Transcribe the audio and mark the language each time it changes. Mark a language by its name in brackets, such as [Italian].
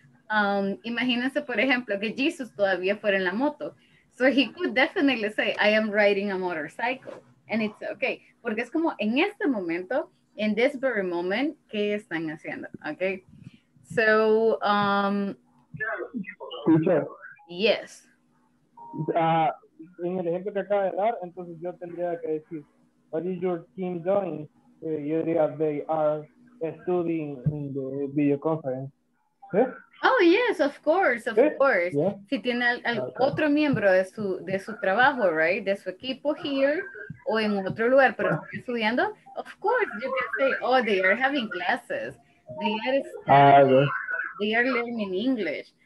[Spanish] Imagínense, por ejemplo, que Jesus todavía fuera en la moto. [English] So he could definitely say, I am riding a motorcycle. And it's okay. [Spanish] Porque es como en este momento, [English] in this very moment, [Spanish] ¿qué están haciendo? Okay. So, [English] teacher. Yes. [Spanish] En el ejemplo que acaba de dar, entonces yo tendría que decir, [English] what is your team doing? [Spanish] Yo diría, [English] they are studying in the video conference. Oh, yes, of course, of course. Yeah. [Spanish] Si tiene al otro miembro de su trabajo, right? De su equipo [English] here [Spanish] o en otro lugar, pero estudiando, [English] of course, you can say, oh, they are having classes. They are studying. They are learning English.